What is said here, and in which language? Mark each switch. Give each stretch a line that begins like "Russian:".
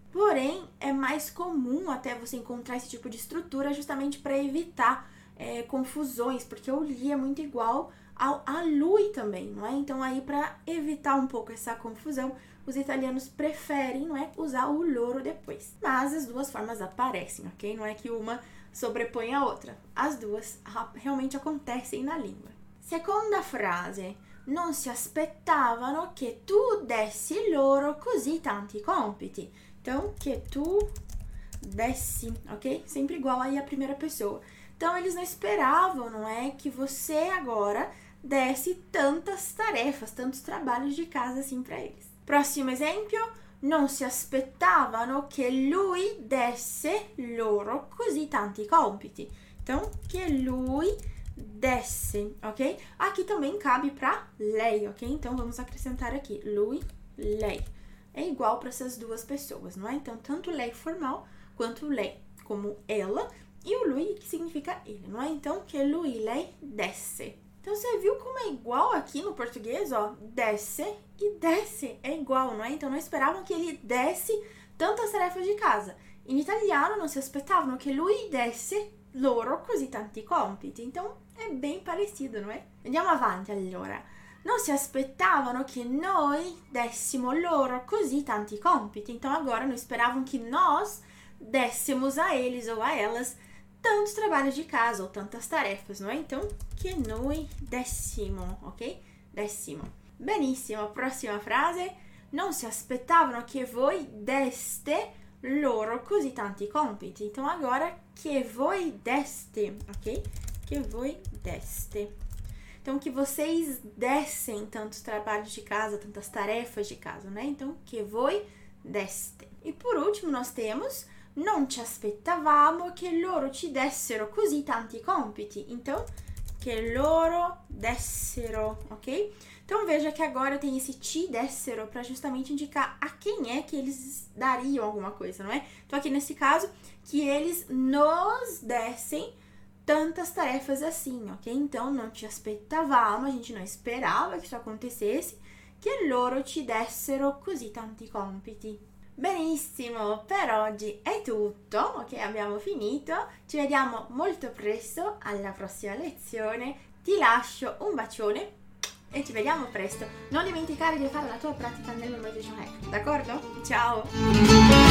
Portuguese: Porém, é mais comum até você encontrar esse tipo de estrutura justamente para evitar confusões, porque o gli é muito igual ao a lui também, não é? Então, aí, para evitar um pouco essa confusão, os italianos preferem, não é, usar o loro depois. Mas as duas formas aparecem, ok? Não é que uma sobrepõe a outra. As duas realmente acontecem na língua.
Italian: Seconda frase. Non si aspettavano che tu dessi loro così tanti compiti.
Portuguese: Então, che tu dessi, ok? Sempre igual aí a primeira pessoa. Então, eles não esperavam, não é, que você agora desse tantas tarefas, tantos trabalhos de casa assim para eles. Próximo exemplo.
Italian: Non si aspettavano che lui desse loro così tanti compiti.
Portuguese: Então, che lui desse, ok? Aqui também cabe para lei, ok? Então vamos acrescentar aqui, lui, lei. É igual para essas duas pessoas, não é? Então, tanto lei formal quanto lei, como ela, e o lui que significa ele, não é? Então, che lui lei desse. Então, você viu como é igual aqui no português, ó? Desse e desse é igual, não é? Então, não esperavam que ele desse tantas tarefas de casa. Em italiano,
Italian: não se aspettavano che lui desse loro così tanti compiti. Então, è ben parecido, non è? Andiamo avanti allora. Non si aspettavano che noi dessimo loro così tanti compiti.
Portuguese: Então, agora,
Italian: non speravano che noi dessimo
Portuguese: a eles ou a elas tantos trabalhos de casa ou tantas tarefas, non è? Então, che noi dessimo, ok? Dessimo.
Italian: Benissimo, prossima frase. Non si aspettavano che voi deste loro così tanti compiti.
Portuguese: Então, agora,
Italian: che voi deste,
Portuguese: ok? Che voi deste. Então, que vocês dessem tantos trabalhos de casa, tantas tarefas de casa, né? Então, que voi deste. E por último, nós temos:
Italian: Non ci aspettavamo che loro ci dessero così tanti compiti.
Portuguese: Então, che loro dessero, ok? Então veja que agora tem esse ti dessero para justamente indicar a quem é que eles dariam alguma coisa, não é? Então aqui nesse caso, que eles nos dessem tantas tarefas assim, ok? Então não te aspettavamo, a gente não esperava que isso acontecesse,
Italian: que loro ti dessero così tanti compiti. Benissimo, per oggi è tutto, ok? Abbiamo finito. Ci vediamo molto presto alla prossima lezione. Ti lascio un bacione. E ci vediamo presto. Non dimenticare di fare la tua pratica nel memorization hack, d'accordo? Ciao!